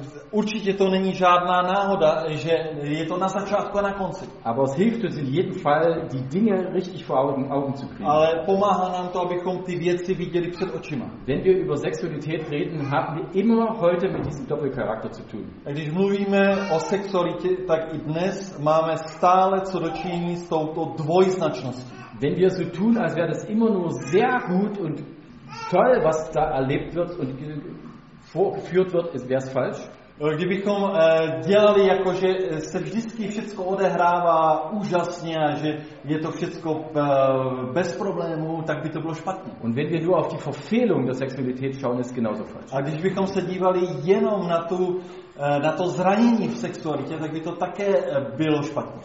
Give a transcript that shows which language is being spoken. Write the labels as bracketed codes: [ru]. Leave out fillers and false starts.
[cs] Určitě to není žádná náhoda, že je to na začátku a na konci. [de] Aber es hilft uns in jedem Fall, die Dinge richtig vor Augen zu kriegen. [cs] Ale pomáhá nám to, abychom ty věci viděli před očima. [de] Wenn wir über Sexualität reden, haben wir immer heute mit diesem Doppelcharakter zu tun. [cs] Když mluvíme o sexualitě, tak i dnes máme stále co dočinění s touto dvojznačností. [de] Wenn wir so tun, als wäre das immer nur sehr gut und toll, was da erlebt wird und vorgeführt wird, ist wär's falsch. [cs] Kdybychom dělali jako, že se vždycky všechno odehrává úžasně a že je to všechno bez problémů, tak by to bylo špatně. [de] Und wenn wir nur auf die Verfehlung der Sexualität schauen, ist genauso falsch. [cs] A když bychom se dívali jenom na tu na to zranění v sexualitě, tak by to také bylo špatně.